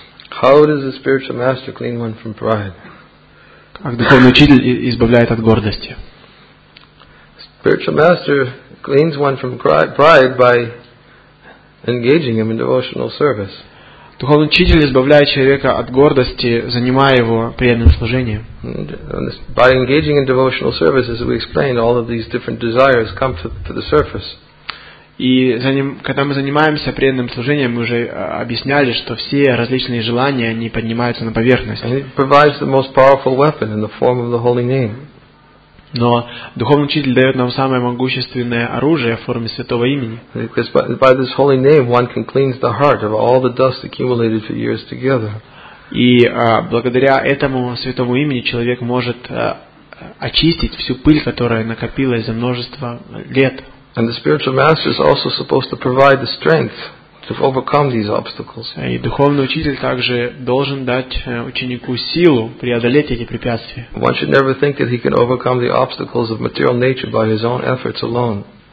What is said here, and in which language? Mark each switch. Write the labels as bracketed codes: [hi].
[en] How does a spiritual master clean one from pride? [ru] Как духовный учитель избавляет от гордости? [en] Spiritual master cleans one from pride by engaging him in devotional service. [ru] Духовный учитель избавляет человека от гордости, занимая его преданным служением. [en] By engaging in devotional service, as we explained, all of these different desires come to the surface. [ru] И когда мы занимаемся преданным служением, мы уже объясняли, что все различные желания, они поднимаются на поверхность. Но духовный учитель дает нам самое могущественное оружие в форме святого имени. [en] By this holy name, one can cleanse the heart of all the dust accumulated for years together. [ru] И благодаря этому святому имени человек может очистить всю пыль, которая накопилась за множество лет. [en] And the spiritual master is also supposed to provide the strength to overcome these obstacles. [ru] И духовный учитель также должен дать ученику силу преодолеть эти препятствия. [en] One should never think that he can overcome the obstacles of material nature by his own efforts alone.